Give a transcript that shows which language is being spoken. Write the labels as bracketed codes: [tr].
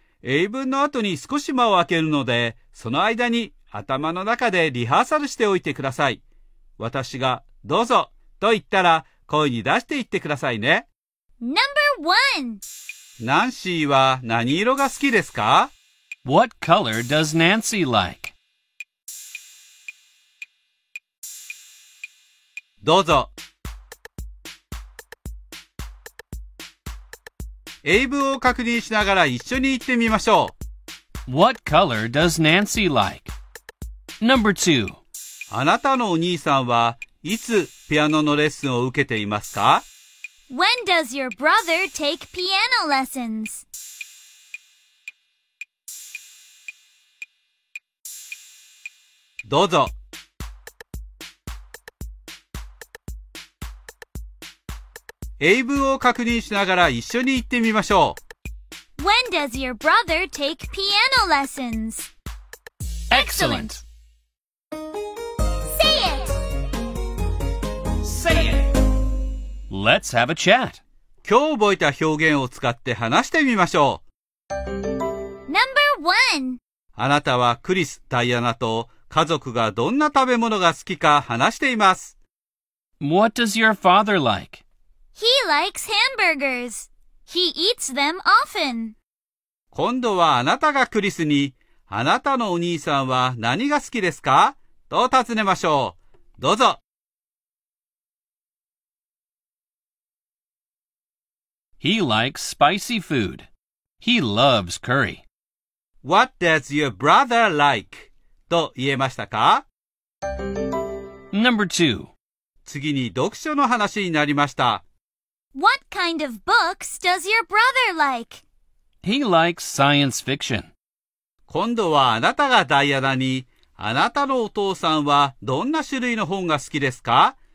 [ja] 英文の後に少し間を空けるので、その間に頭の中でリハーサルしておいてください。私がどうぞと言ったら声に出して言ってくださいね。 [en] Number one! [ja] ナンシーは何色が好きですか? [en] What color does Nancy like? [ja] どうぞ。英文を確認しながら一緒に言ってみましょう。 [en] What color does Nancy like? Number two. [ja] あなたのお兄さんはいつピアノのレッスンを受けていますか? [en] When does your brother take piano lessons? [ja] どうぞ。英文を確認しながら一緒に言ってみましょう。 [en] When does your brother take piano lessons? Excellent! Say it! Say it! Let's have a chat! [ja] 今日覚えた表現を使って話してみましょう。 [en] Number one! [ja] あなたはクリス、ダイアナと家族がどんな食べ物が好きか話しています。 [en] What does your father like? He likes hamburgers. He eats them often. [ja] 今度はあなたがクリスに、あなたのお兄さんは何が好きですか? と尋ねましょう。どうぞ。 [en] He likes spicy food. He loves curry. What does your brother like? [ja] と言えましたか? [en] Number two. [ja] 次に読書の話になりました。 [en] What kind of books does your brother like? He likes science fiction. [ja] 今度はあなたがダイアナに、あなたのお父さんはどんな種類の本が好きですか?